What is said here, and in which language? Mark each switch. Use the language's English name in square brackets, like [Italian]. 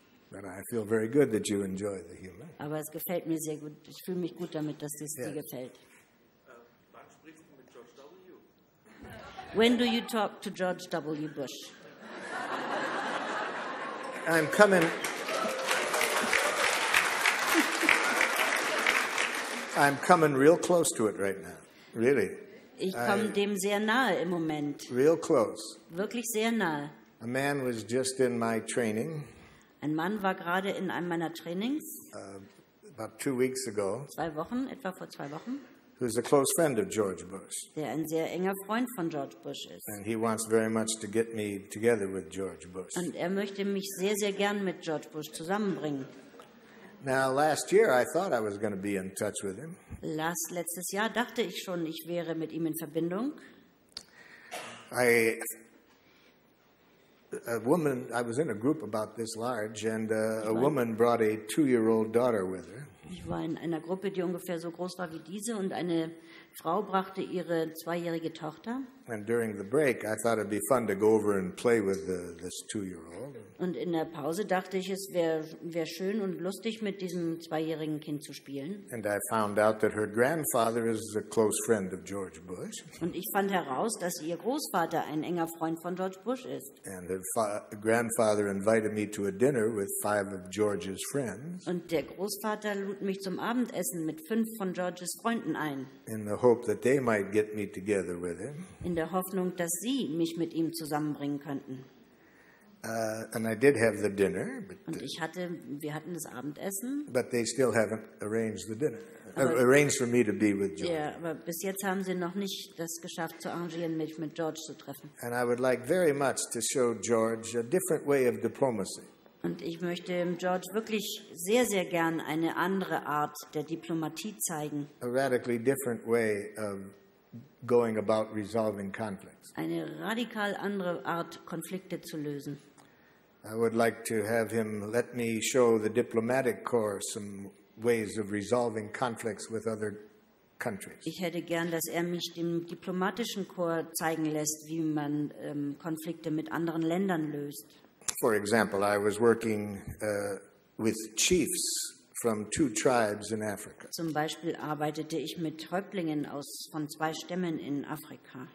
[English] But I feel very good that you enjoy the humor. [German] Aber es gefällt mir sehr gut. Ich fühle mich gut damit, dass es dir gefällt. Wann sprichst du mit [English] George W. Bush? When do you talk to George W. Bush? I'm coming. I'm coming real close to it right now. Really. [German] Ich komme dem sehr nahe im Moment. [English] Real close. [German] Wirklich sehr nahe. [English] A man was just in my training. [German] Ein Mann war gerade in einem meiner Trainings. [English] About 2 weeks ago. [German] Zwei Wochen, etwa vor zwei Wochen. [English] Who's a close friend of George Bush. [German] Der ein sehr enger Freund von George Bush ist. [English] And he wants very much to get me together with George Bush. [German] Und möchte mich sehr, sehr gern mit George Bush zusammenbringen. [English] Now, last year I thought I was going to be in touch with him. [German] Letztes Jahr dachte ich schon, ich wäre mit ihm in Verbindung. [English] I was in a group about this large, and a woman brought a 2-year-old daughter with her. [German] Ich war in einer Gruppe, die ungefähr so groß war wie diese, und eine Frau brachte ihre 2-jährige Tochter. [English] And during the break, I thought it'd be fun to go over and play with this 2-year-old. [German] Und in der Pause dachte ich, es wär schön und lustig, mit diesem 2-jährigen Kind zu spielen. [English] And I found out that her grandfather is a close friend of George Bush. [German] Und ich fand heraus, dass ihr Großvater ein enger Freund von George Bush ist. [English] And her grandfather invited me to a dinner with 5 of George's friends. [German] Und der Großvater lud mich zum Abendessen mit 5 von George's Freunden ein. [English] In the hope that they might get me together with him. [German] In der Hoffnung, dass sie mich mit ihm zusammenbringen könnten. [English] And I did have the dinner, [German] und wir hatten das Abendessen. [English] But they still haven't arranged the dinner. arranged for me to be with George. [German] Ja, aber bis jetzt haben sie noch nicht das geschafft zu arrangieren, mich mit George zu treffen. [English] And I would like very much to show George a different way of diplomacy. [German] Und ich möchte George wirklich sehr sehr gern eine andere Art der Diplomatie zeigen. [English] A radically different way of going about resolving conflicts. [German] Eine radikal andere Art Konflikte zu lösen. [English] I would like to have him let me show the diplomatic corps some ways of resolving conflicts with other countries. [German] Ich hätte gern, dass mich dem diplomatischen Korps zeigen lässt, wie man Konflikte mit anderen Ländern löst. [English] For example, I was working with chiefs from two tribes in Africa. [German] Zum Beispiel arbeitete ich mit Häuptlingen aus von zwei Stämmen in Afrika.